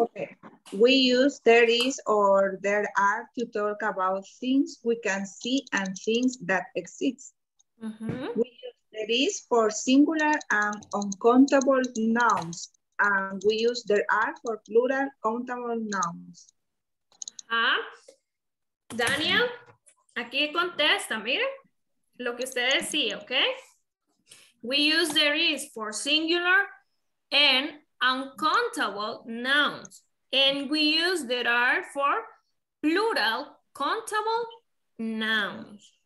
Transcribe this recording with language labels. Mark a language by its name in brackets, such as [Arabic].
[English] Okay, we use there is or there are to talk about things we can see and things that exist. Mm-hmm. We use there is for singular and uncountable nouns, and we use there are for plural countable nouns. Daniel? [Spanish] Aquí contesta, mire, lo que usted decía, ¿ok? [English] We use there is for singular and uncountable nouns. And we use there are for plural countable nouns.